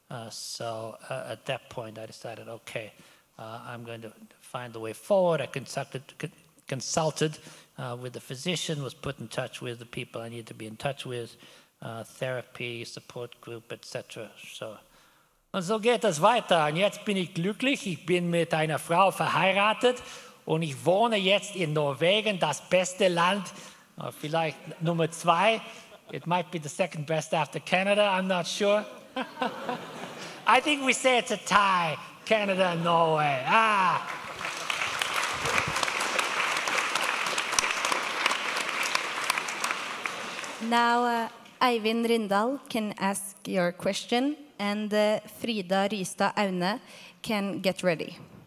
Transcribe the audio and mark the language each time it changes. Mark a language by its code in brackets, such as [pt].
[en] So at that point, I decided, okay, I'm going to find a way forward. I consulted with the physician, was put in touch with the people I needed to be in touch with, therapy, support group, etc. So [de] Und so geht das weiter. Und jetzt bin ich glücklich. Ich bin mit einer Frau verheiratet und ich wohne jetzt in Norwegen, das beste Land, vielleicht Nummer zwei. [en] It might be the second best after Canada. I'm not sure. I think we say it's a tie, Canada and Norway. Ah. Now, Eivind Rindal can ask your question, and Frida Rystad Aune can get ready.